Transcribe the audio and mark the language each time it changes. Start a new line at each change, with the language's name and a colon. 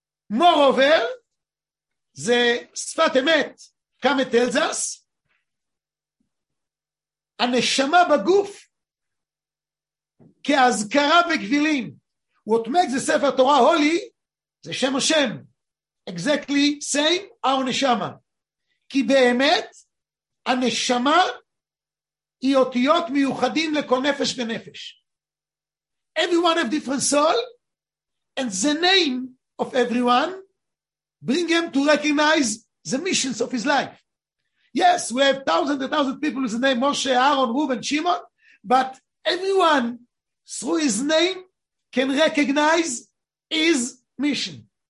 English: Moreover, the Sfat Emet come and tells us,
Hebrew: הנשמה בגוף כהזכרה בגבילים.
English: What makes the Sefer Torah holy,
Hebrew: זה שם השם.
English: Exactly same, our נשמה.
Hebrew: כי באמת, הנשמה היא אותיות מיוחדים לכל נפש ונפש.
English: Everyone have different soul, and the name of everyone bring him to recognize the missions of his life. Yes, we have thousands and thousands of people with the name Moshe, Aaron, Reuben, Shimon, but everyone through his name can recognize his mission.